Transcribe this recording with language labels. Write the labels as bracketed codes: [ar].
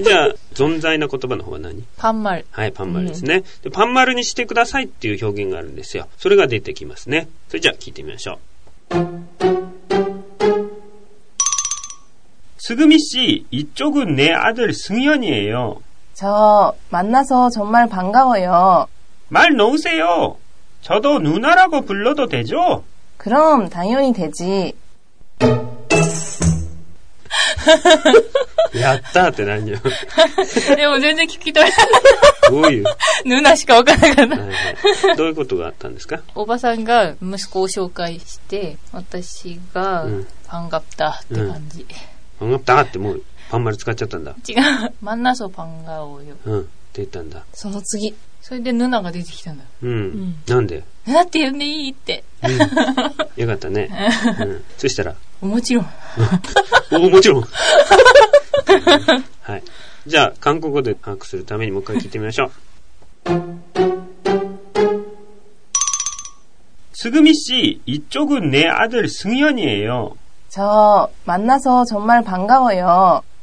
[ja] ん、じゃあ存在な言葉の方は何。パンマル。はい、パンマルですね、うん、でパンマルにしてくださいっていう表現があるんですよ。それが出てきますね。それじゃあ聞いてみましょう。 [ko] すぐみ씨이쪽은내아들승현이에요。 저만나서정말반가워요。 말놓으세요。 저도누나라고불러도되죠。 그럼당연히되지。 [ja] やったーって何よ。でも全然聞き取れない。どういうヌナしかわからなかった。どういうことがあったんですか。おばさんが息子を紹介して私がパンガプタって感じ、うん、パンガプタってもうパンマル使っちゃったんだ。違う、マンナソパンガオよ、うん、出たんだ。その次。それでヌナが出てきたんだ。うん。うん、なんでヌナって呼んでいいって。うん、よかったね。うん、そしたらもちろん。もちろん。はい。じゃあ、韓国語で把握するためにもう一回聞いてみましょう。 [ko] すぐみ씨、이쪽은내아들승현이에요。 저만나서정말반가워요。